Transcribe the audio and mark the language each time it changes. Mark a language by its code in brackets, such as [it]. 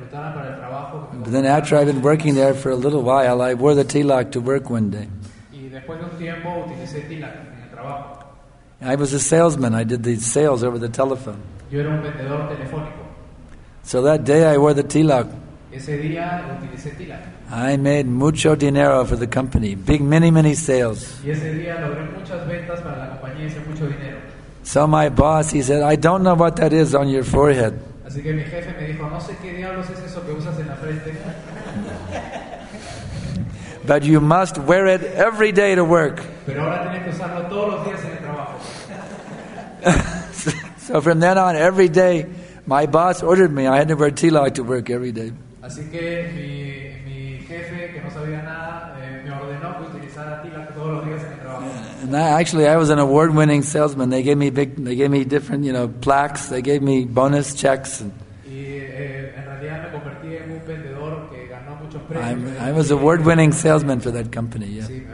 [en] But then after I've been working there for a little while, I wore the tilak to work one day. [es] Después de un tiempo, utilicé tilak en el trabajo. [en] I was a salesman. I did the sales over the telephone. [es] Yo era un vendedor telefónico. [en] So that day I wore the tilak. [es] Ese día utilicé tilak. [en] I made [es] mucho dinero [en] for the company. Big, many, many sales. [es] Y ese día logré muchas ventas para la compañía y hice mucho dinero. [en] So my boss, he said, I don't know what that is on your forehead. [es] Así que mi jefe me dijo, no sé qué diablos es eso que usas en la frente. [en] But you must wear it every day to work. [es] Pero ahora tienes que usarlo todos los días en el trabajo. [en] So from then on, every day, my boss ordered me, I had to wear tilak to work every day. [es] Así que mi jefe, que no sabía nada, me ordenó que utilizara tilak todos los días en el trabajo. [en] And I was an award-winning salesman. They gave me big, they gave me different, you know, plaques. They gave me bonus checks. I was an award-winning salesman for that company. Yeah.